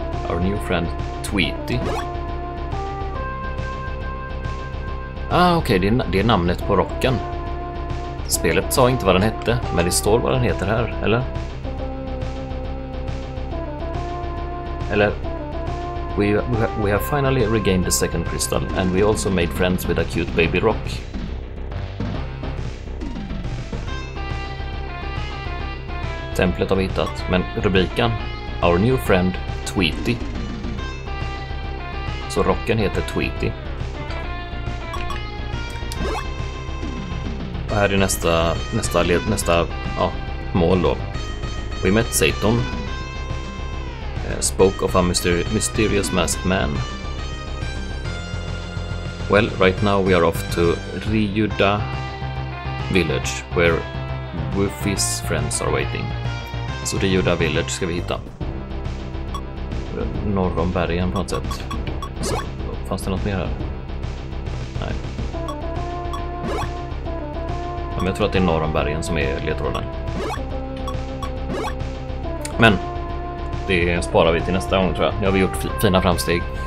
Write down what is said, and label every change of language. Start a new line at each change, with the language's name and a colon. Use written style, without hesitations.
English: Our new friend Tweety.
Swedish: Ah, okej, okay. Det är namnet på rocken. Spelet sa inte vad den hette, men det står vad den heter här, eller? Eller...
English: We have finally regained the second crystal, and we also made friends with a cute baby rock.
Swedish: Templet har vi hittat, men rubriken...
English: Our new friend, Tweety.
Swedish: Så rocken heter Tweety. Här är nästa mål då.
English: We met Satan. Spoke of a mysterious masked man. Well, right now we are off to Ryuda Village, where Woofy's friends are waiting.
Swedish: Så Ryuda Village ska vi hitta. Norr om bergen på något sätt. Så, fanns det något mer här? Nej. Men jag tror att det är norr om bergen som är ledtråden. Men det sparar vi till nästa gång, tror jag. Nu har vi gjort fina framsteg.